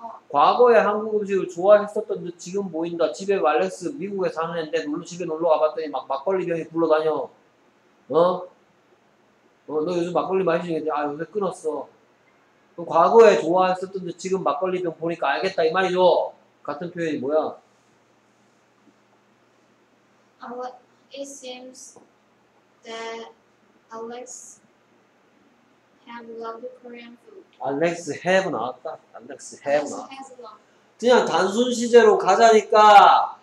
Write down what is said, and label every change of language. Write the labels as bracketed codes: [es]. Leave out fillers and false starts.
[ko] 과거에 한국 음식을 좋아했었던 듯 지금 보인다. 집에 말렉스 미국에 사는 애인데 놀러 집에 놀러 가봤더니 막 막걸리 병이 굴러다녀. 어? 너 요즘 막걸리 마시겠지? 아 요새 끊었어. 그럼 과거에 좋아했었던 듯 지금 막걸리 병 보니까 알겠다 이 말이죠. 같은 표현이 뭐야? [en] It seems that Alex have loved Korean food. [ko] Alex have 나왔다. Alex have 나왔다. 그냥 단순 시제로 가자니까.